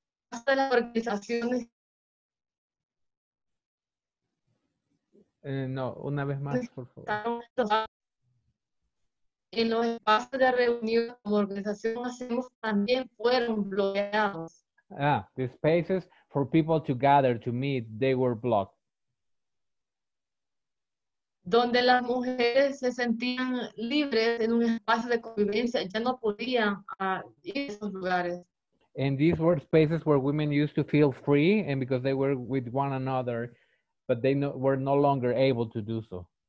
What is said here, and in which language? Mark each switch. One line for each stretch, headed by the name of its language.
Spanish: Hasta las organizaciones. No, una vez más, por favor. En los espacios de reunión como organización hacemos también fueron bloqueados.
English: Ah, the spaces for people to gather, to meet, they were blocked.
Spanish: Donde las mujeres se sentían libres en un espacio de convivencia, ya no podían ir a esos lugares.
English: And these were spaces where women used to feel free, and because they were with one another, but they were no longer able to do so.